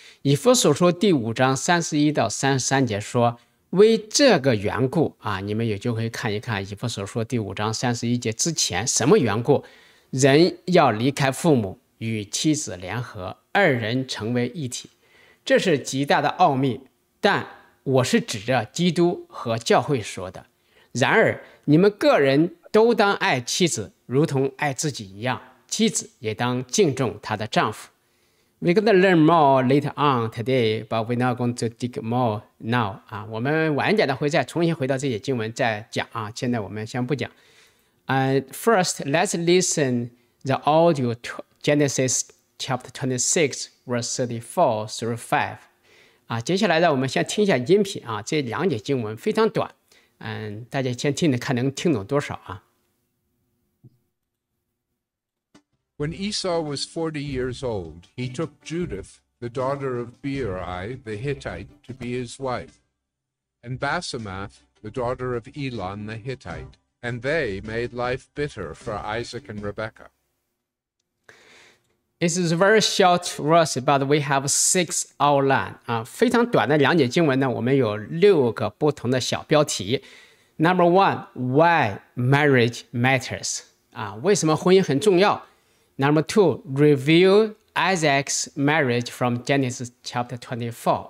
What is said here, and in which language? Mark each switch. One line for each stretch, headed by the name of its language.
Chinese: 以弗所书第五章三十一到三十三节说，为这个缘故啊，你们也就可以看一看以弗所书第五章三十一节之前什么缘故，人要离开父母与妻子联合，二人成为一体，这是极大的奥秘，但我是指着基督和教会说的。然而你们个人都当爱妻子如同爱自己一样，妻子也当敬重她的丈夫。
English: We're going to learn more later on today, but we're not going to dig more now.
Chinese: 我们晚一点的会再重新回到这些经文再讲，现在我们先不讲。
English: First, let's listen the audio to Genesis chapter 26, verse 34 through 5.
Chinese: 接下来呢，我们先听一下音频，这两节经文非常短，大家先听着看能听懂多少。
English: When Esau was 40 years old, he took Judith, the daughter of Beeri the Hittite, to be his wife, and Basemath, the daughter of Elon the Hittite, and they made life bitter for Isaac and Rebekah. This is a very short verse, but we have six outlines.
Chinese: 非常短的两节经文呢，我们有六个不同的小标题。
English: Number one, why marriage matters.
Chinese: 为什么婚姻很重要？
English: Number two, review Isaac's marriage from Genesis chapter 24.